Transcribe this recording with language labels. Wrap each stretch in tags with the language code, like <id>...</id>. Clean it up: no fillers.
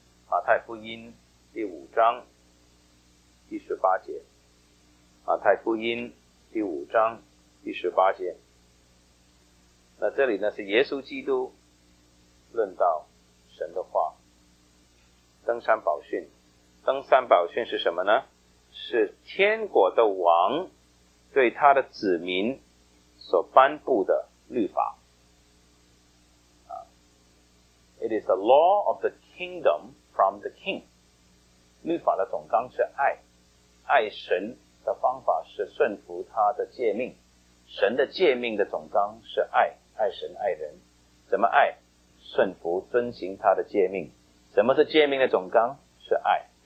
<zh>马太福音第五章第18节，马太福音第五章第18节，那这里呢是耶稣基督论到神的话，登山宝训。登山宝训是什么呢？是天国的王对他的子民所颁布的律法。</zh> <en>It is the law of the kingdom from the king.</en> <zh>律法的总纲是爱，爱神的方法是顺服他的诫命，神的诫命的总纲是爱，爱神爱人。怎么爱？顺服遵行他的诫命。什么是诫命的总纲？是爱。</zh>